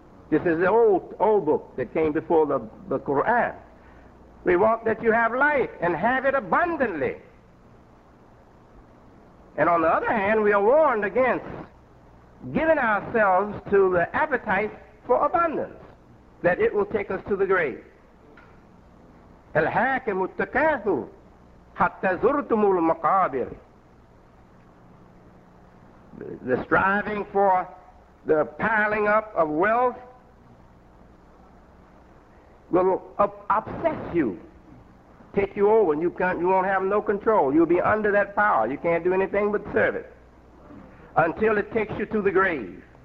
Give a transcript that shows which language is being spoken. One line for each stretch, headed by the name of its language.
English: This is the old book that came before the Quran. We want that you have life and have it abundantly. And on the other hand, we are warned against giving ourselves to the appetite for abundance, that it will take us to the grave.
Arabic: الحاكم التكاثر حتى زرتم المقابر.
English: The striving for the piling up of wealth will obsess you, take you over, and you won't have no control. You'll be under that power. You can't do anything but serve it until it takes you to the grave.